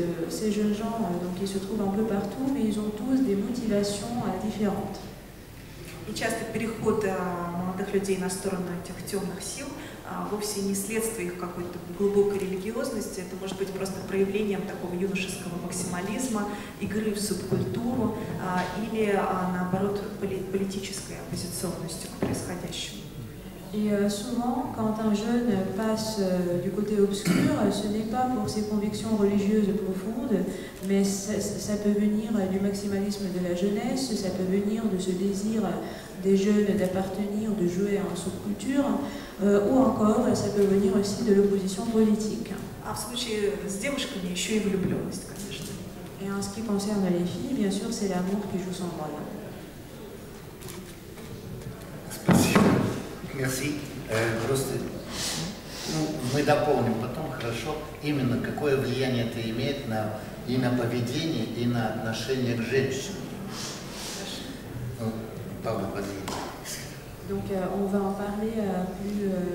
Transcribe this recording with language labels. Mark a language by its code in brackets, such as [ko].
[fr] Ces jeunes gens donc ils se trouvent un peu partout mais ils ont tous des motivations différentes. [ru] Et часто переход молодых людей на сторону этих темных сил вовсе не следствие их какой-то глубокой религиозности, это может быть просто проявлением такого юношеского максимализма, игры в субкультуру или наоборот политической оппозиционностью к происходящему. [fr] Et souvent, quand un jeune passe du côté obscur, ce n'est pas pour ses convictions religieuses profondes, mais ça peut venir du maximalisme de la jeunesse, ça peut venir de ce désir des jeunes d'appartenir, de jouer à une sous-culture, ou encore, ça peut venir aussi de l'opposition politique. Et en ce qui concerne les filles, bien sûr, c'est l'amour qui joue son rôle. Merci. [ru] Просто ну, мы дополним потом хорошо, именно какое влияние это имеет на и на поведение, и на отношение к женщине. Ну, Павла, подвиньте. [fr] Donc on va en parler plus